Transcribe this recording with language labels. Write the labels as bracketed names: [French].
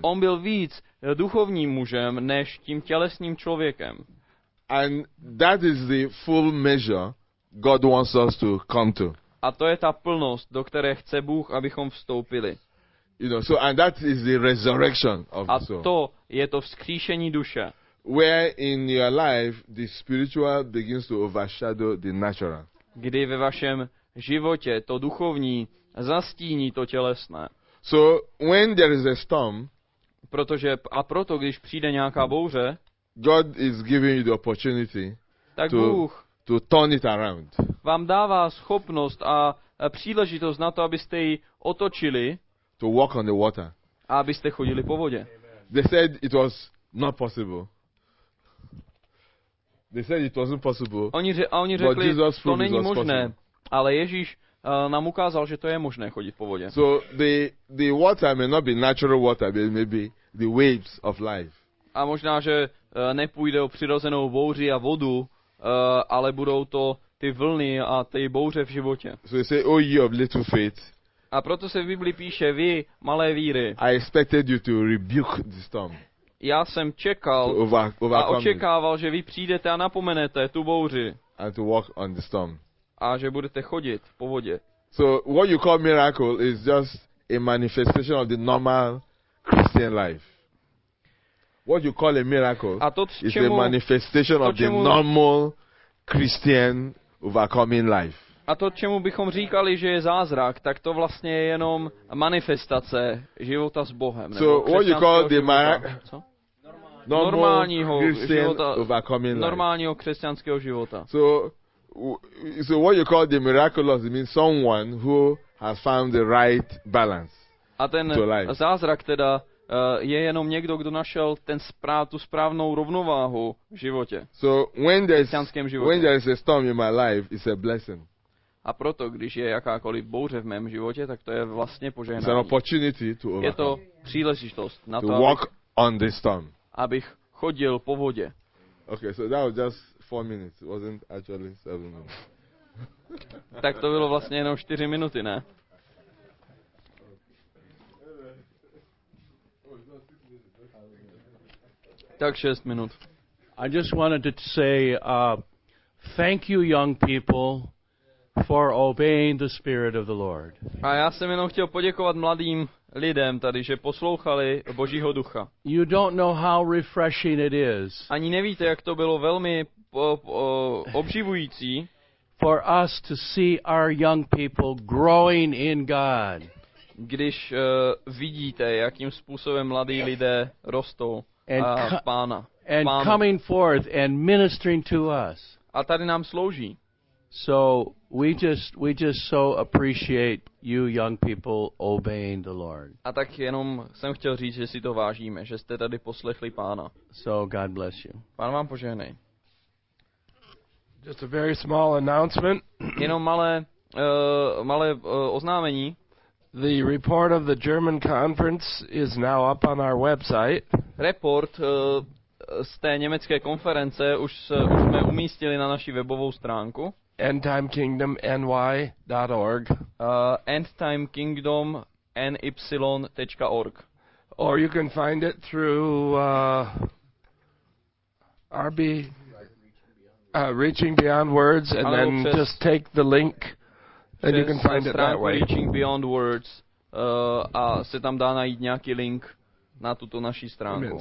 [Czech] On byl víc duchovním mužem než tím tělesným člověkem. [English] And that is the full measure God wants us to come to. [Czech] A to je ta plnost, do které chce Bůh, abychom vstoupili. [English] You know, so and that is the resurrection of the soul. [Czech] A to je to vzkříšení duše. [English] Where in your life the spiritual begins to overshadow the natural. [Czech] Kdy ve vašem životě to duchovní zastíní to tělesné. [English] So when there is a storm, [Czech] proto když přijde nějaká bouře, [English] God is giving you the opportunity to turn it around. [Czech] Vám dává schopnost a příležitost na to, abyste ji otočili. [English] To walk on the water. [Czech] A abyste chodili po vodě. [English] Amen. They said it was not possible. They said it wasn't possible. [Czech] Oni řekli, to není možné. Ale Ježíš nám ukázal, že to je možné chodit po vodě. [English] So the water may not be natural water, but maybe the waves of life. [Czech] A možná, že nepůjde o přirozenou bouři a vodu, ale budou to ty vlny a ty bouře v životě. [English] So you say, oh, you of little faith. [Czech] A proto se v Biblii píše, vy malé víry. [English] I expected you to rebuke the storm. [Czech] Já jsem čekal a očekával, že vy přijdete a napomenete tu bouři. [English] And to walk on the storm. [Czech] A že budete chodit po vodě. [English] So what you call miracle is just a manifestation of the normal Christian life. What you call a miracle is a manifestation of the normal Christian overcoming life. [Czech] A to, čemu bychom říkali, že je zázrak, tak to vlastně je jenom manifestace života s Bohem. [English] So what you call the [Czech] normálního života, normálního křesťanského života. [English] So what you call the miraculous means someone who has found the right balance. [Czech] A ten zázrak teda je jenom někdo, kdo našel tu správnou rovnováhu v životě. [English] So when there is a storm in my life, it's a blessing. [Czech] A proto, když je jakákoliv bouře v mém životě, tak to je vlastně požehnání. [English] It's an opportunity to overcome. [Czech] Je to příležitost na to, [English] walk on the storm. [Czech] Abych chodil po vodě. [English] Okay, so that was just 4 minutes. It wasn't actually 7 minutes. [Czech] Tak to bylo vlastně jenom 4 minuty, ne? Tak 6 minut. [English] I just wanted to say thank you, young people, for obeying the spirit of the Lord. [Czech] A já jsem jenom chtěl poděkovat mladým lidem tady, že poslouchali Božího ducha. [English] You don't know how refreshing it is. [Czech] Ani nevíte, jak to bylo velmi obživující. [English] For us to see our young people growing in God. [Czech] Když vidíte, jakým způsobem mladí lidé rostou. [English] And coming forth and ministering to us. [Czech] A tady nám slouží. [English] So we just so appreciate you young people obeying the Lord. [Czech] A tak jenom jsem chtěl říct, že si to vážíme, že jste tady poslechli Pána. [English] So God bless you. [Czech] Pán vám požehnej. [English] Just a very small announcement. [Czech] Jenom malé oznámení. [English] The report of the German conference is now up on our website. Report [Czech] z té německé konference už jsme umístili na naší webovou stránku. [English] endtimekingdomny.org endtimekingdomny.org or you can find it through RB Reaching Beyond Words and then just take the link and you can find it that way. [Czech] Reaching Beyond Words a se tam dá najít nějaký link na tuto naši stránku.